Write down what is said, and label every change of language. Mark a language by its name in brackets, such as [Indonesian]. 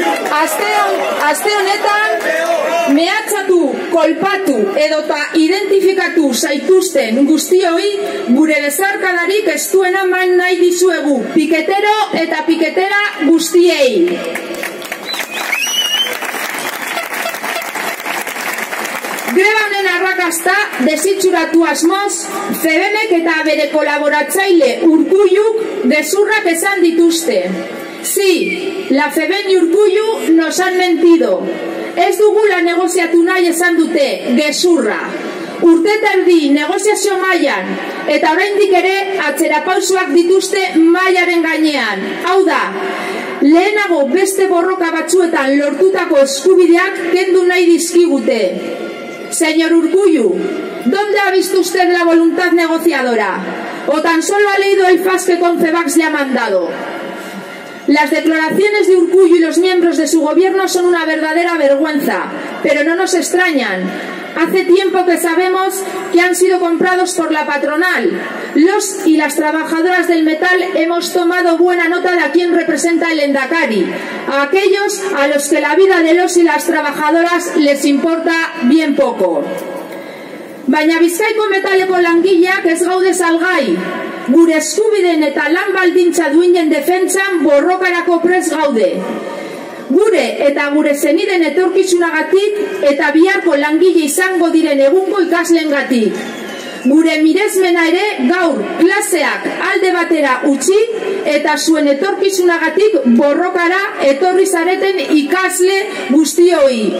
[Basque] Aste honetan, mehatxatu, kolpatu edota identifikatu zaituzten guztioi gure besarkadarik estuena eman nahi dizuegu, piketero eta piketera guztiei. Grebanen arrakasta desitxuratu asmoz, CBMek eta bere kolaboratzaile Urkulluk gezurrak esan dituzte. [Spanish] Sí, la FEBEN y Urkullu nos han mentido. [Basque] Ez dugula negoziatu nahi esan dute, gezurra. Urte terdi negoziazio mailan eta oraindik ere atzerapausoak dituzte mailaren gainean. Hau da, lehenago beste borroka batzuetan lortutako eskubideak kendu nahi dizkigute. [Spanish] Señor Urkullu, ¿dónde ha visto usted la voluntad negociadora? ¿O tan solo ha leído el FAS que Confebax le ha mandado? Las declaraciones de Urkullu y los miembros de su gobierno son una verdadera vergüenza, pero no nos extrañan. Hace tiempo que sabemos que han sido comprados por la patronal. Los y las trabajadoras del metal hemos tomado buena nota de a quién representa el Lehendakari, a aquellos a los que la vida de los y las trabajadoras les importa bien poco. [Basque] Baina Bizkaiko metaleko langileak ez gaude salgai. Gure eskubideen eta lan baldintza duinen defentsan borrokarako prest gaude. Gure eta gure zeniden etorkizunagatik eta biharko langile izango diren egunko ikasleengatik. Gure miresmena ere gaur klaseak alde batera utzi eta zuen etorkizunagatik borrokara etorri zareten ikasle guztioi.